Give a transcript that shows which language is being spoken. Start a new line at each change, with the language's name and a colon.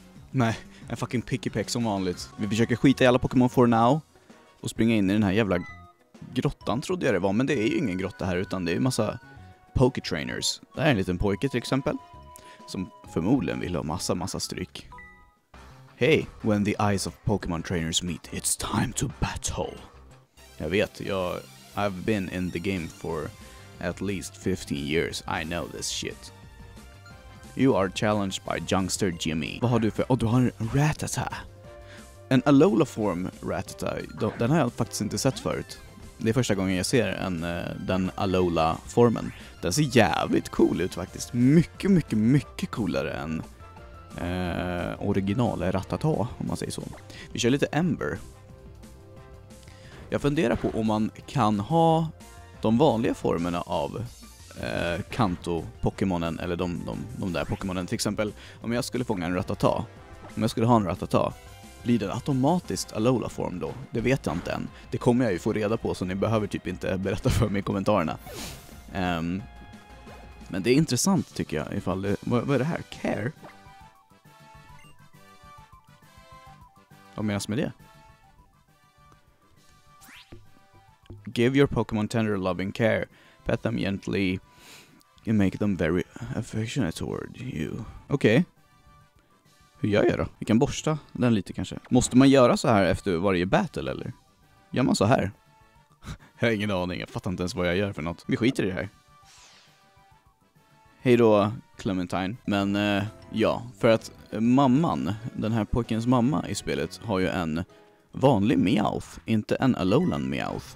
Swedish: Nej, en fucking Pikipek som vanligt. Vi försöker skita i alla Pokémon
English: for now
Swedish: och springa in i den här jävla grottan trodde jag det var. Men det är ju ingen grotta här utan det är en massa Poketrainers. Det här är en liten pojke till exempel som förmodligen vill ha massa stryk.
English: Hej, when the eyes of Pokémon trainers meet, it's time to battle.
Swedish: Jag vet,
English: I've been in the game for at least 15 years. I know this shit. You are challenged by Youngster Jimmy.
Swedish: Vad har du för... Oh, du har en Rattata. En Alola form Rattata. Den har jag faktiskt inte sett förut. Det är första gången jag ser den Alola formen. Den ser jävligt cool ut faktiskt. Mycket, mycket, mycket coolare än original Rattata, om man säger så. Vi kör lite Ember. Jag funderar på om man kan ha de vanliga formerna av Kanto-Pokémonen eller de där Pokémonen. Till exempel, om jag skulle fånga en Rattata, om jag skulle ha en Rattata, blir den automatiskt Alola-form då? Det vet jag inte än. Det kommer jag ju få reda på, så ni behöver typ inte berätta för mig i kommentarerna. Men det är intressant tycker jag, ifall det, vad är det här?
English: Care?
Swedish: Vad menas med det?
English: Give your Pokemon tender loving care. Pet them gently. You make them very affectionate toward you.
Swedish: Okej. Hur gör jag då? Vi kan borsta den lite kanske. Måste man göra så här efter varje battle eller? Gör man så här? Jag har ingen aning. Jag fattar inte ens vad jag gör för något. Vi skiter i det här. Hej då, Clementine. Men ja, för att mamman, den här pojkens mamma i spelet har ju en vanlig Meowth, inte en Alolan Meowth.